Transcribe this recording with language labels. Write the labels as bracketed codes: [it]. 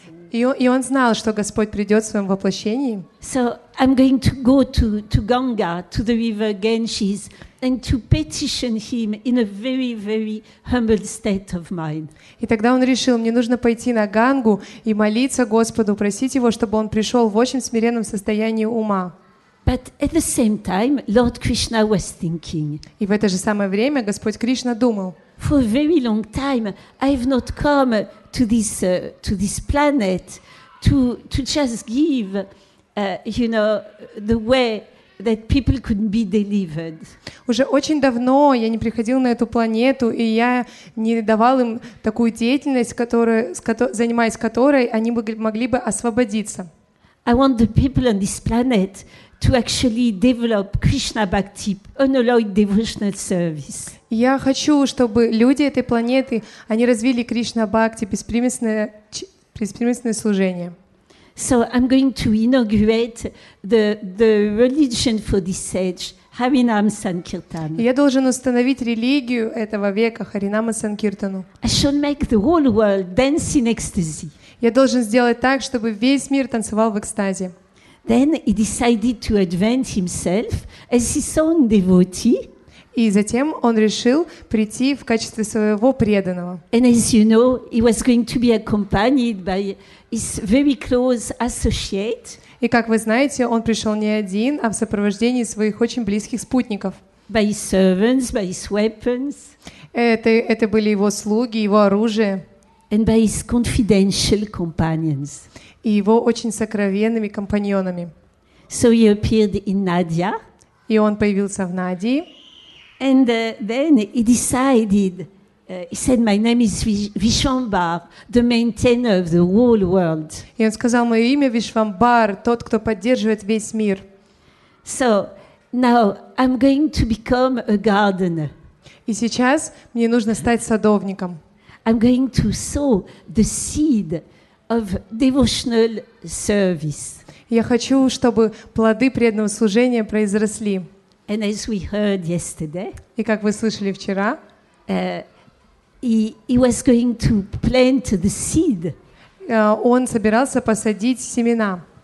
[ru] И он знал, что Господь придет в своем воплощении. [en] So I'm going to go to Ganga, to the river Ganges, and to petition him in a very, very humble state of mind. [ru] И тогда он решил: мне нужно пойти на Гангу и молиться Господу, просить его, чтобы он пришел в очень смиренном состоянии ума. [en] But at the same time, Lord Krishna was thinking. [ru] И в это же самое время Господь Кришна думал. [en] For a very long time, I have not come to this planet to just give, the way that people could be delivered. [ru] Уже очень давно я не приходил на эту планету, и я не давал им такую деятельность, занимаясь которой они могли бы освободиться. [en] I want the people on this planet to actually develop Krishna Bhakti, unalloyed devotional service. [ru] Я хочу, чтобы люди этой планеты, они развили Кришна Бхакти, беспримесное служение. [en] So I'm going to inaugurate the religion for this age, [ru] Харинам Санкиртану. Я должен установить религию этого века Харинама Санкиртану. [en] I should make the whole world dance in ecstasy. [ru] Я должен сделать так, чтобы весь мир танцевал в экстазе. [en] Then he decided to advance himself as his own devotee. [ru] И затем он решил прийти в качестве своего преданного. [en] And as you know, he was going to be accompanied by his very close associate. [ru] И как вы знаете, он пришел не один, а в сопровождении своих очень близких спутников. [en] By his servants, by his weapons. [ru] Это были его слуги, его оружие. [en] And by his confidential companions. [ru] И его очень сокровенными компаньонами. [en] So he appeared in Nadia. [ru] И он появился в Надии. [en] And then he decided, he said, my name is Vishvambar, the maintainer of the whole world. [ru] И он сказал, мое имя Вишвамбар, тот, кто поддерживает весь мир. [en] So now I'm going to become a gardener. [ru] И сейчас мне нужно стать садовником. [en] I'm going to sow the seed of devotional service. [ru] Я хочу, чтобы плоды преданного служения произросли. [en] And as we heard yesterday, [ru] и как вы слышали вчера, [en] he was going to plant the seed. [ru] Он собирался посадить семена.